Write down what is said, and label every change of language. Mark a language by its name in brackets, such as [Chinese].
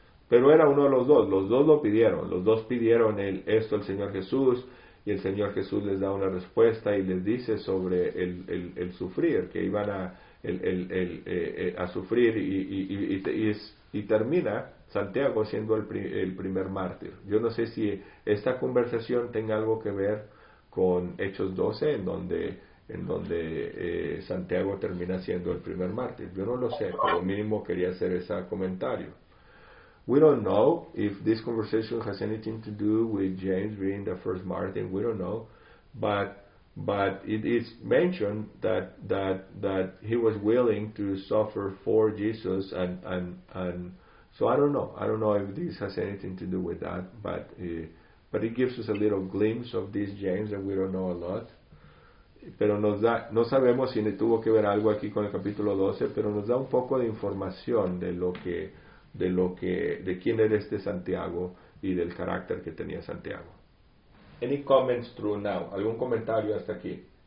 [Spanish] Pero era uno de los dos lo pidieron, los dos pidieron esto al Señor Jesús, y el Señor Jesús les da una respuesta y les dice sobre el sufrir, que iban a sufrir, y termina Santiago siendo el primer mártir. Yo no sé si esta conversación tenga algo que ver con Hechos 12, en donde Santiago termina siendo el primer mártir. Yo no lo sé, pero mínimo quería hacer ese comentario. [English] We don't know if this conversation has anything to do with James being the first martyr. We don't know, but it is mentioned that he was willing to suffer for Jesus, and so I don't know. I don't know if this has anything to do with that, but it gives us a little glimpse of this James that we don't know a lot. [Spanish] Pero no sabemos si tuvo que ver algo aquí con el capítulo 12, pero nos da un poco de información de quién era este Santiago y del carácter que tenía Santiago. [English] Any comments through now? [Spanish] ¿Algún comentario hasta aquí?